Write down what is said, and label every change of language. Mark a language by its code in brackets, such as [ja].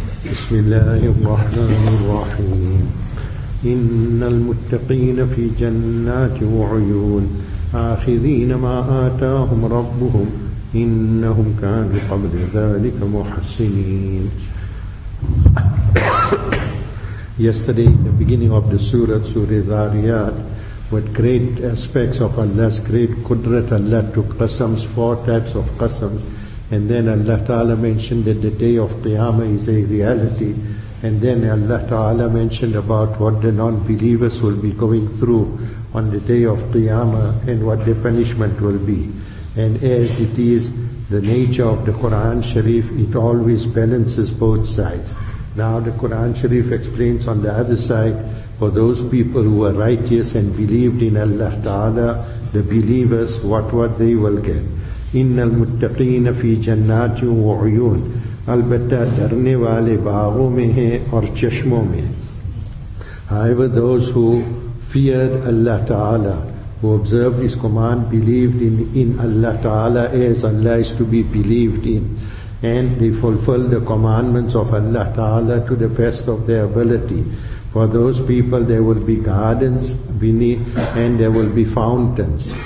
[ar] بسم الله الرحمن الرحيم. إن المتقين في جنات وعيون آخذين ما آتاهم ربهم إنهم كانوا قبل ذلك محسنين. [en] Yesterday, the beginning of the surah, Surah Dhariyat, with great aspects of Allah's great Qudrat, Allah took qasams, four types of qasams, and then Allah Ta'ala mentioned that the day of Qiyamah is a reality, and then Allah Ta'ala mentioned about what the non-believers will be going through on the day of Qiyamah and what the punishment will be. And as it is the nature of the Quran Sharif, it always balances both sides. Now the Quran Sharif explains on the other side, for those people who were righteous and believed in Allah Ta'ala, the believers, what they will get. [ar] إِنَّ الْمُتَّقِينَ فِي جَنَّاتٍ وَعُيُونَ [ur] البتہ درنے والے باغوں میں ہیں اور چشموں میں. [en] However, those who feared Allah Ta'ala, who observed His command, believed in Allah Ta'ala as Allah is to be believed in, and they fulfilled the commandments of Allah Ta'ala to the best of their ability, for those people there will be gardens beneath and there will be fountains.